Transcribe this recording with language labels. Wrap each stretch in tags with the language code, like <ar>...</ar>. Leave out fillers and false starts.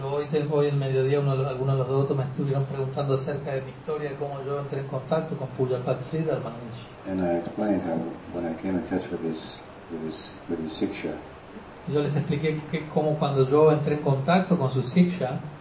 <es>Pero hoy en mediodía algunos de los devotos me estuvieron preguntando acerca de mi historia, de cómo yo entré en contacto con Pujapati Sridhar Maharaj.</es> <en>And I explained how when I came in touch with his siksha.</en> <es>Yo les expliqué que cómo cuando yo entré en contacto con su siksha.</es>